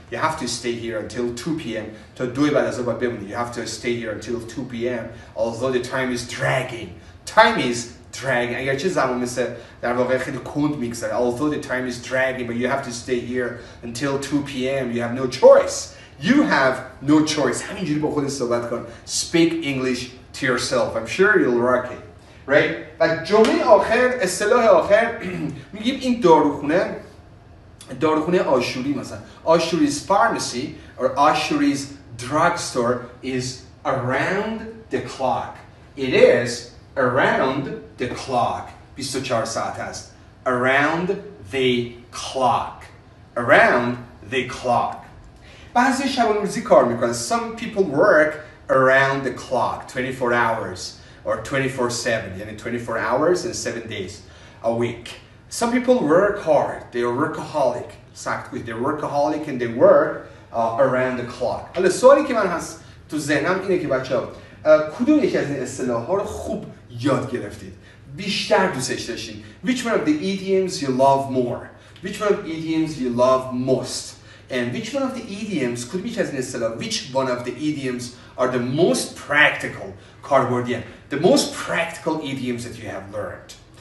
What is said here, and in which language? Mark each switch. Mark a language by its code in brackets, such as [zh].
[en] You have to stay here until 2 p.m. [fa] تا دوی بعد از ظهر بمونی. [en] You have to stay here until 2 p.m. Although the time is dragging. Time is dragging. [fa] اگر چه زمان مثل در واقع خیلی کند میگذره. [en] Although the time is dragging, but you have to stay here until 2 p.m. You have no choice. You have no choice. [fa] همینجوری با خودت صحبت کن. [en] Speak English to yourself. I'm sure you'll rock it. Right? [fa] و جمله آخر, اصطلاح آخر, میگیم این داروخونه, داروخونه آشوری مثلا, آشوری [en] 's pharmacy or آشوری's drugstore is around the clock. It is around the clock. [fa] 24 ساعت هست. [en] Around the clock. Around the clock. [fa] بعضی شبانه‌روزی کار میکنن. [en] Some people work around the clock. 24 hours or 24/7. [fa] یعنی [en] 24 hours and 7 days a week. Some people work hard. They are workaholic. Exactly. They're workaholic and they work around the clock. [fa] حالا سوالی که من هست تو ذهنم اینه که بچه ها کدوم یکی از این اصطلاح ها رو خوب یاد گرفتید؟ بیشتر دوستش داشتید؟ [en] Which one of the idioms you love more? Which one of the idioms you love most? And which one of the idioms, [fa] کدوم یکی از این اصطلاح, [en] which one of the idioms are the most practical, cardboard, yeah, the most practical idioms that you have learned?